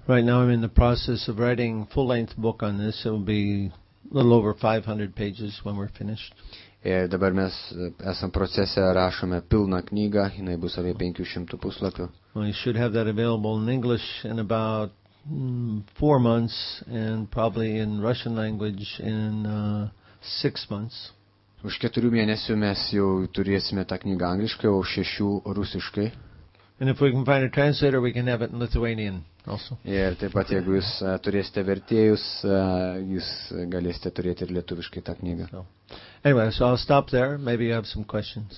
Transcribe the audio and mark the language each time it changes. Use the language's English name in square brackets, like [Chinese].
[English] Right now I'm in the process of writing full-length book on this. It will be little over 500 pages when we're finished. [Lithuanian] Ir dabar mes esam procese, rašome pilną knygą, jinai bus apie 500 puslapių. [English] We should have that available in English in about 4 months and probably in Russian language in 6 months. [Lithuanian] Už 4 mėnesių mes jau turėsime tą knygą angliškai, o 6 rusiškai. [English] And if we can find a translator, we can have it in Lithuanian also. [Lithuanian] Ir taip pat, jeigu jūs turėsite vertėjus, jūs galėsite turėti ir lietuviškai tą knygą. [English] Anyway, so I'll stop there. Maybe you have some questions.